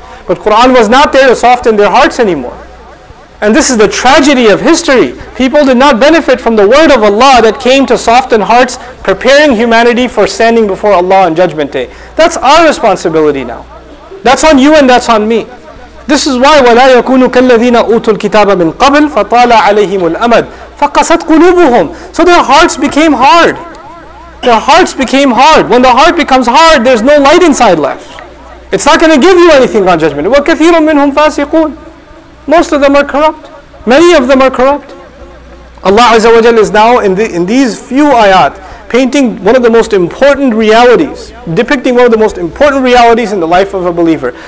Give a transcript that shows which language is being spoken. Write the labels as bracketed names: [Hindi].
[English] But Quran was not there to soften their hearts anymore. And this is the tragedy of history. People did not benefit from the word of Allah that came to soften hearts, preparing humanity for standing before Allah on Judgment Day. That's our responsibility now. That's on you and that's on me. This is why [Arabic] وَلَا يَكُونُ كَالَّذِينَ أُوتُوا الْكِتَابَ مِنْ قَبْلِ فَطَالَ عَلَيْهِمُ الْأَمَدْ فَقَسَتْ قُلُوبُهُمْ. [English] So their hearts became hard. their hearts became hard. When the heart becomes hard, there's no light inside left. It's not going to give you anything on judgment. [Arabic] وَكَثِيرٌ مِّنْهُمْ فَاسِقُونَ. [English] Most of them are corrupt. Many of them are corrupt. Allah Azza wa Jal is now in these few ayat painting one of the most important realities, depicting one of the most important realities in the life of a believer.